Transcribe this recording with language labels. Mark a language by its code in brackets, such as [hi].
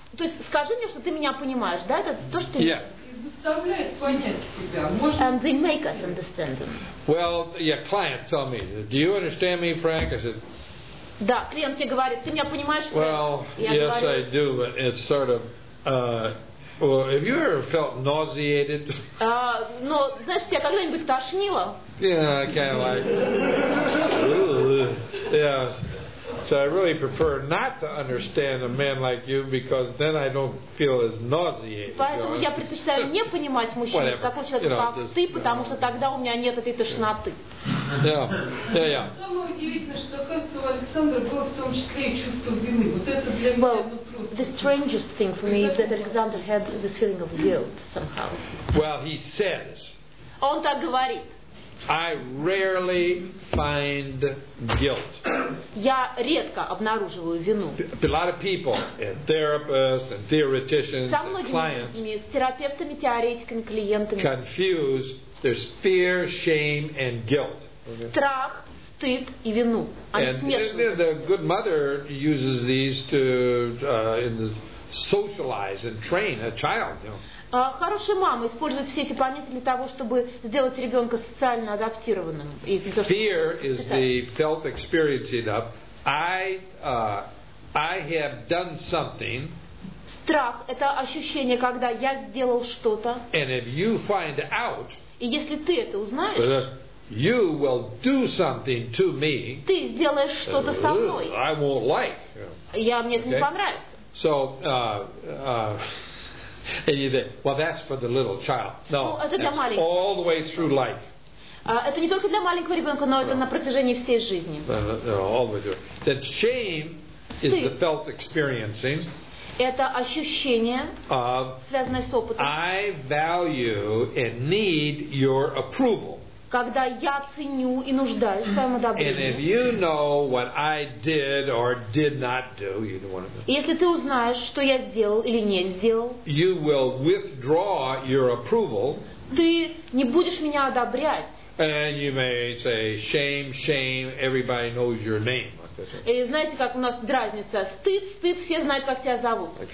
[ru] То есть скажи мне, что ты меня понимаешь, да? Это то, что ты. [en] Yeah. And they make us understand them. Well, yeah. Client, tell me. Do you understand me, Frank? I said. [ru] Да, клиент мне говорит, ты меня понимаешь? [en] Well, yes, I do, but it's sort of. Have you ever felt nauseated? [ru] Но знаешь, тебя когда-нибудь тошнило? [en] Yeah, kind of like. Yeah. So I really prefer not to understand a man like you because then I don't feel as nauseated. [ru] Поэтому я предпочитаю не понимать мужчин, такого человека, как ты, потому что тогда у меня нет этой тошноты. [en] Yeah. [ru] Самое удивительное, что, оказывается, у Александра было в том числе и чувство вины. Вот это для меня просто. [en] The strangest thing for me is that Alexander had this feeling of guilt somehow. Well, he says. [ru] Он так говорит. [en] I rarely find guilt. [ru] Я редко обнаруживаю вину. [en] A lot of people, therapists and theoreticians, clients, [ru] с терапевтами, теоретиками, клиентами, [en] confuse. There's fear, shame, and guilt. [ru] Страх, стыд и вину. [en] And the good mother uses these to socialize and train a child. You know. [ru] Хорошая мама использует все эти понятия для того, чтобы сделать ребенка социально адаптированным. [en] Fear is the felt experiencing of I have done something. [ru] Страх – это ощущение, когда я сделал что-то. [en] And if you find out, [ru] и если ты это узнаешь, [en] you will do something to me. [ru] Ты сделаешь что-то со мной. [en] I won't like. [ru] Я мне это не понравится. [en] So. And you think, well, that's for the little child. No, that's all the way through life. [ru] Это не только для маленького ребенка, но это на протяжении всей жизни. [en] All the way through. That shame is the felt experiencing. [ru] Это ощущение, связанное с опытом. [en] I value and need your approval. [ru] Когда я ценю и нуждаюсь в своем одобрении. [en] And if you know what I did or did not do, you don't want to know. [ru] Если ты узнаешь, что я сделал или не сделал, [en] you will withdraw your approval. [ru] Ты не будешь меня одобрять. [en] And you may say, shame, shame, everybody knows your name. [ru] И знаете, как у нас дразнится? Стыд, стыд, все знают, как тебя зовут.